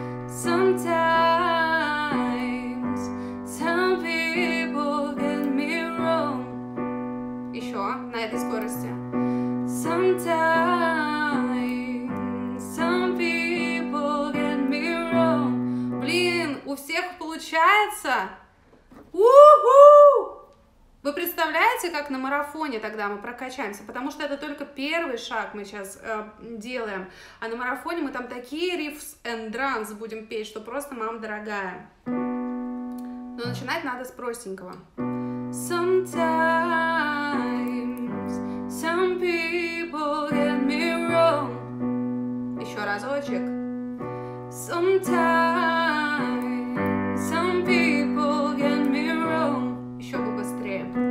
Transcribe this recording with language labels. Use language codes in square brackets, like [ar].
[en] Sometimes some people get me wrong. [ru] Еще на этой скорости. [en] Sometimes some people get me wrong. [ru] Блин, у всех получается? У-ху! Вы представляете, как на марафоне тогда мы прокачаемся? Потому что это только первый шаг мы сейчас делаем. А на марафоне мы там такие [en] riffs and runs [ru] будем петь, что просто мам дорогая. Но начинать надо с простенького. [en] Sometimes some people get me wrong. [ru] Еще разочек. [en] Sometimes some people get me wrong. [ru] Еще побыстрее.